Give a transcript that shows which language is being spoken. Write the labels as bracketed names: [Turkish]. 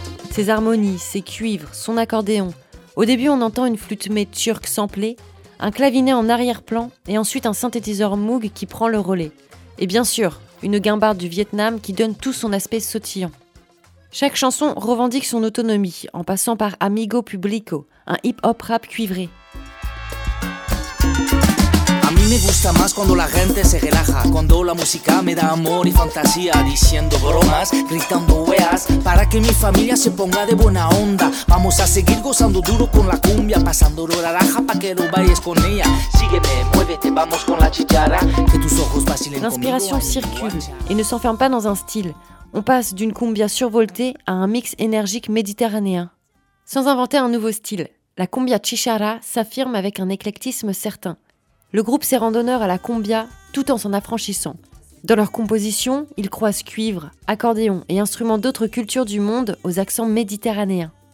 [French] Ses harmonies, ses cuivres, son accordéon. Au début, on entend une flûte mets turque samplée, un clavinet en arrière-plan et ensuite un synthétiseur Moog qui prend le relais. Et bien sûr, une guimbarde du Vietnam qui donne tout son aspect sautillant. Chaque chanson revendique son autonomie en passant par Amigo Publico, un hip-hop rap cuivré. [Spanish] Me gusta más cuando la gente se relaja, cuando la música me da amor y fantasía, diciendo bromas, gritando weas, para que mi familia se ponga de buena onda. Vamos a seguir gozando duro con la cumbia, pasando la raja pa' que lo bailes con ella. Sígueme, muévete, vamos con la chichara, que tus ojos vacilen conmigo. [French] L'inspiration circule et ne s'enferme pas dans un style. On passe d'une cumbia survoltée à un mix énergique méditerranéen. Sans inventer un nouveau style, la cumbia chichara s'affirme avec un éclectisme certain. Le groupe s'est randonneur à la cumbia tout en s'en affranchissant. Dans leur composition, ils croisent cuivre, accordéon et instruments d'autres cultures du monde aux accents méditerranéens.